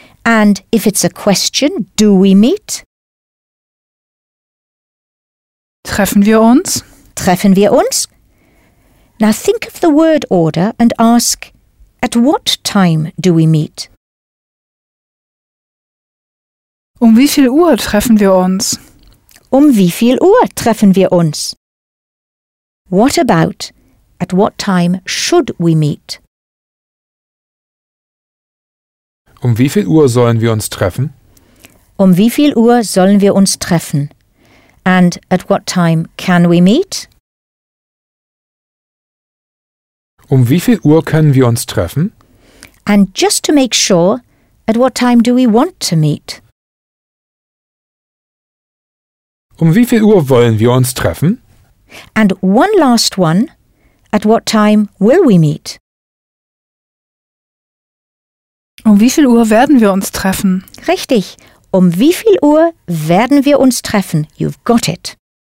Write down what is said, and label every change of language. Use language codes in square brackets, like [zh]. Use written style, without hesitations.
[en] And if it's a question, do we meet? [de] Treffen wir uns? Treffen wir uns? [en] Now think of the word order and ask, at what time do we meet? [de] Um wie viel Uhr treffen wir uns? Um wie viel Uhr treffen wir uns? [en] What about, at what time should we meet? [de] Um wie viel Uhr sollen wir uns treffen? Um wie viel Uhr sollen wir uns treffen? [en] And at what time can we meet? [de] Um wie viel Uhr können wir uns treffen? [en] And just to make sure, at what time do we want to meet? [de] Um wie viel Uhr wollen wir uns treffen? [en] And one last one, at what time will we meet? [de] Um wie viel Uhr werden wir uns treffen? Richtig. Um wie viel Uhr werden wir uns treffen? [en] You've got it.